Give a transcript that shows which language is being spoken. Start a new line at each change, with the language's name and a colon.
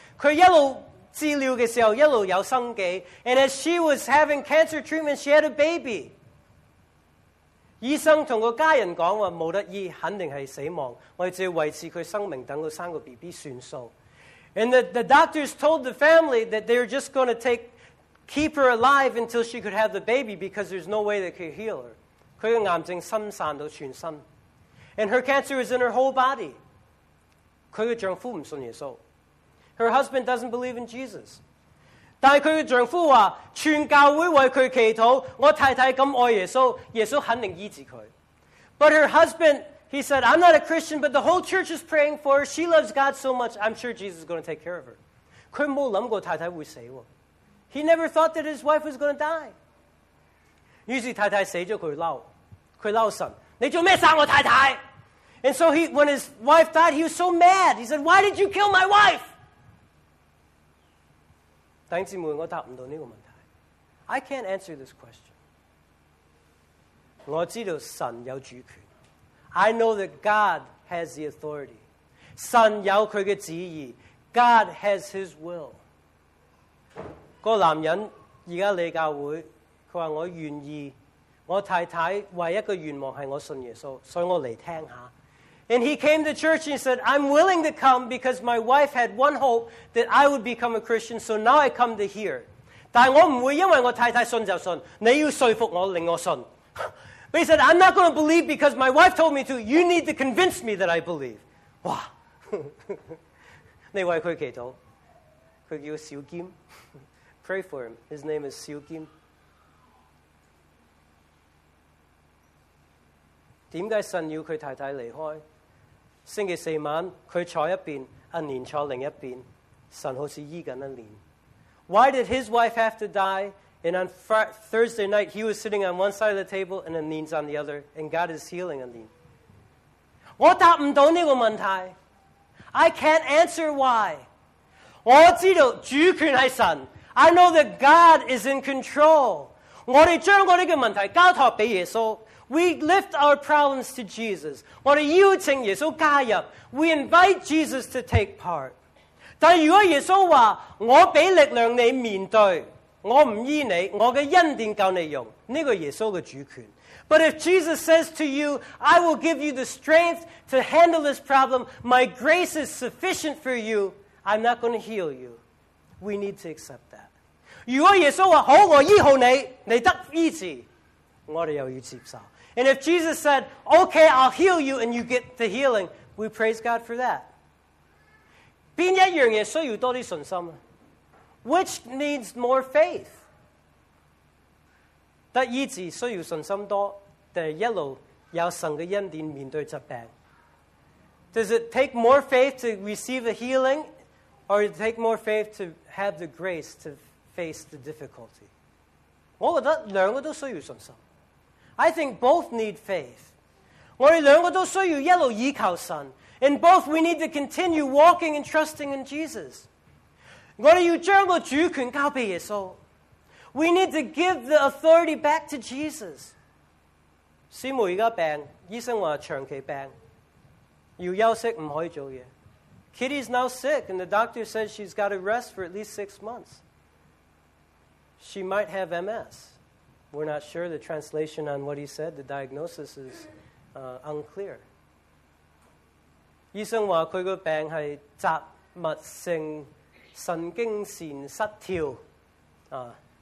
Cantonese: 他一路治疗的时候，一路有生机。
English: And as she was having cancer treatment, she had a baby.
Cantonese: 医生跟个家人讲话，没得医，肯定是死亡。我只要维持他生命，等他生个 BB 算数。
English: And the doctors told the family that they were just going to take. Keep her alive until she could have the baby because there's no way they could heal her.
Cantonese: 她的癌症深散到全身。
English: And her cancer is in her whole body.
Cantonese: 她的丈夫不信耶稣。
English: Her husband doesn't believe in Jesus.
Cantonese: 但她的丈夫说，全教会为她祈祷，我太太这么爱耶稣，耶稣肯定医治她。
English: But her husband, he said, I'm not a Christian, but the whole church is praying for her. She loves God so much, I'm sure Jesus is going to take care of her.
Cantonese: 她没有想过太太会死过。
English: He never thought that his wife was going to die.
Cantonese: 于是太太死了，他嬲，他嬲神，你做咩杀我太太？
English: And so when his wife died, he was so mad. He said, why did you kill my wife?
Cantonese: 弟兄姊妹，我答不到这个问题。
English: I can't answer this question.
Cantonese: 我知道神有主权。
English: I know that God has the authority.
Cantonese: 神有他的旨意。
English: God has his will.
Cantonese: 那个男人现在来教会，他说我愿意，我太太唯一的愿望是我信耶稣，所以我来听一下。
English: And he came to church and he said, I'm willing to come because my wife had one hope that I would become a Christian, so now I come to hear.
Cantonese: 但我不会因为我太太信就信，你要说服我令我信。
English: But he said, I'm not going to believe because my wife told me to, you need to convince me that I believe.
Cantonese: 哇，你为他祈祷，他叫小兼。
English: Pray for him. His name is Siu Kim.
Cantonese: 点解神要佢太太离开？星期四晚佢坐一边，阿年坐另一边，神好似医紧阿年。
English: Why did his wife have to die And on Thursday night, he was sitting on one side of the table and Anine's on the other, and God is healing Anine.
Cantonese: 我答不到这个问题.
English: I can't answer why.
Cantonese: 我知道主权是神.
English: I know that God is in control.
Cantonese: 我们将这个问题交托给耶稣.
English: We lift our problems to Jesus.
Cantonese: 我们邀请耶稣加入.
English: We invite Jesus to take part.
Cantonese: 但如果耶稣说, 我给力量你面对, 我不依你, 我的恩典够你用, 这个耶稣的主权.
English: But if Jesus says to you, I will give you the strength to handle this problem, my grace is sufficient for you, I'm not going to heal you. We need to accept that.
Cantonese: 如果耶稣说,好,我医好你,你得医治, 我们又要接受.
English: And if Jesus said, okay, I'll heal you and you get the healing, we praise God for that.
Cantonese: 哪一样耶稣要多些信心?
English: Which needs more faith?
Cantonese: 得医治需要信心多,但是一路有神的恩典面对疾病.
English: Does it take more faith to receive the healing, or does it take more faith to have the grace to face the difficulty?
Cantonese: 我觉得两个都需要信心.
English: I think both need faith.
Cantonese: 我们两个都需要一路依靠神.
English: In both, we need to continue walking and trusting in Jesus.
Cantonese: 我们要将主权交给耶稣.
English: We need to give the authority back to Jesus.
Cantonese: 师母现在病, 医生说长期病, 要休息不可以做事.
English: Kitty's now sick, and the doctor says she's got to rest for at least 6 months. She might have MS. We're not sure the translation on what he said. The diagnosis is unclear.
Cantonese: 医生说他的病是杂物性神经线失调.